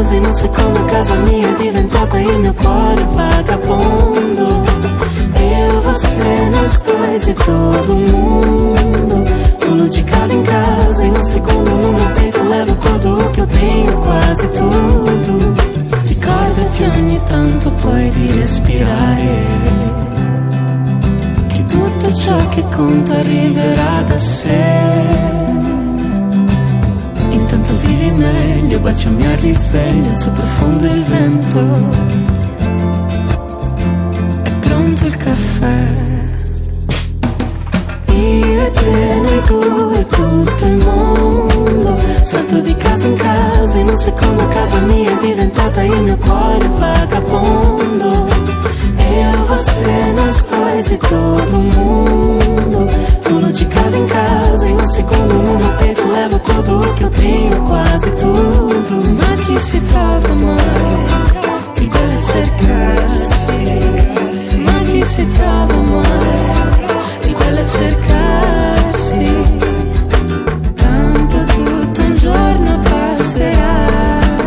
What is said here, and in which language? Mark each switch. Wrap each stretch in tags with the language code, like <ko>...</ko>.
<it>Secondo casa mia è diventata il mio cuore vagabondo.</it> <pt>Io, você, nós dois e todo mundo. Pulo de casa em casa, em um segundo no meu peito levo tudo o que eu tenho, quase tudo.</pt> <it>Ricordati ogni tanto poi di respirare, che tutto ciò che conta arriverà da sé. Intanto vivi meglio, baciami al risveglio, sottofondo il vento. È pronto il caffè. Io e te, noi due e tutto il mondo. Salto di casa in casa, in un secondo casa mia è diventata il mio cuore vagabondo.</it> <pt>E a você, nós dois e todo mundo. Pulo de casa em casa, em um segundo no meu peito levo tudo o que eu tenho, quase tudo.</pt> <it>Ma chi si trova mais, il bello è cercarsi. Ma chi si trova mais, il bello è cercarsi. Tanto tutto un giorno passerà.</it>